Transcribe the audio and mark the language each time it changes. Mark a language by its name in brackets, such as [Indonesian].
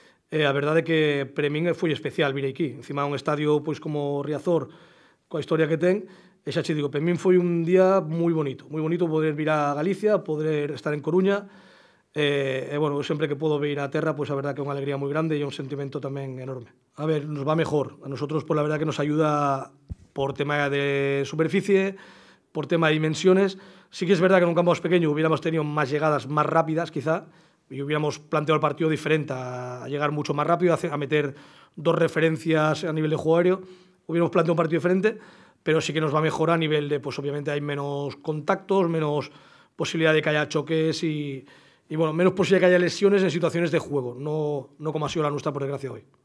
[Galician] A verdade que para min foi especial vir aquí. Encima un estadio pois, como Riazor, coa historia que ten. E xa che digo, para min foi un día moi bonito poder vir a Galicia, poder estar en Coruña. Bueno, sempre que podo vir a terra, pois a verdade que é unha alegría moi grande e un sentimento tamén enorme. [Spanish] A ver, nos va mejor. A nosotros, [Galician] pois a verdade que [Spanish] nos ayuda por tema de superficie, por tema de dimensiones. [Galician] Sí que é verdade que nun campo máis pequeno [Spanish] hubiéramos tenido [Galician] máis chegadas máis rápidas, quizá, e [Spanish] hubiéramos planteado [Galician] o partido diferente, a chegar moito máis rápido, a meter dos referencias [Spanish] a nivel de juego aéreo. hubiéramos planteado un partido diferente, pero sí que nos va mejor a nivel de, pues obviamente hay menos contactos, menos posibilidad de que haya choques y bueno, menos posibilidad de que haya lesiones en situaciones de juego, no como ha sido la nuestra, por desgracia, hoy.